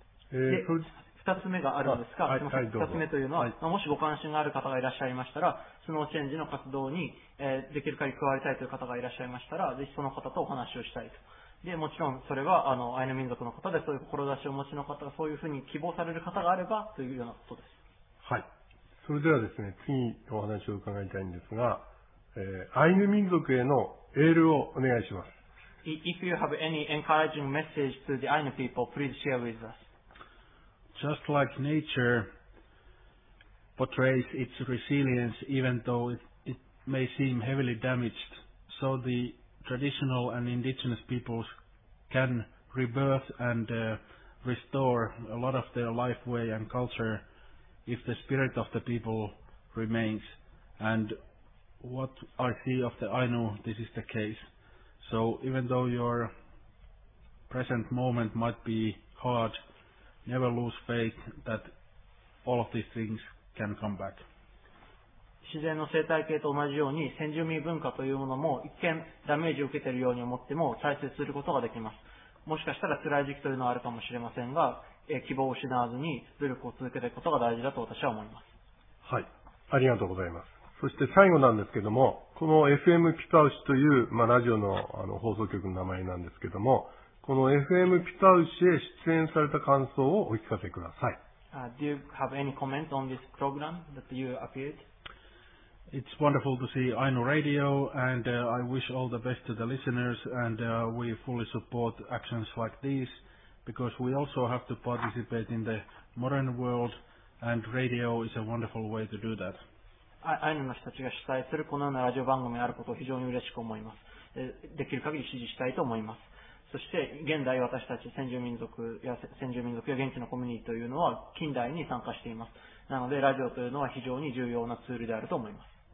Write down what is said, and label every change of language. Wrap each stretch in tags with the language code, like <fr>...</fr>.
<ja>二つ目があるんですか、すみません。二つ目というのは、はい、もしご関心がある方がいらっしゃいましたら、スノーチェンジの活動に、できる限り加わりたいという方がいらっしゃいましたら、ぜひその方とお話をしたいと。で、もちろんそれは、アイヌ民族の方で、そういう志を持ちの方が、そういうふうに希望される方があれば、というようなことです。はい。それではですね、次お話を伺いたいんですが、アイヌ民族へのエールをお願いします。</ja> <en>If you have any encouraging message to the Ainu people, please share with us. Just like nature portrays its resilience even though it may seem heavily damaged, so the traditional and indigenous peoples can rebirth and restore a lot of their life way and culture if the spirit of the people remains. And what I see of the Ainu, this is the case. So even though your present moment might be hard,Never lose faith that all of these things can come back.</en> <ja>自然の生態系と同じように先住民文化というものも一見ダメージを受けているように思っても再生することができます。もしかしたら辛い時期というのはあるかもしれませんが、希望を失わずに努力を続けていくことが大事だと私は思います。はい、ありがとうございます。そして最後なんですけども、この FM ピタウシという、まあ、ラジオ の放送局の名前なんですけども、この FM ピタウシへ出演された感想をお聞かせください。</ja> <en>Do you have any comment on this program that you appeared? It's wonderful to see Ainu Radio and I wish all the best to the listeners and we fully support actions like these because we also have to participate in the modern world and radio is a wonderful way to do that.</en> <ja>Ainu の人たちが主催するこのようなラジオ番組があることを非常に嬉しく思います。できる限り支持したいと思います。そして現代私たち先住民族や先住民族や現地のコミュニティというのは近代に参加しています。なのでラジオというのは非常に重要なツールであると思います。</ja>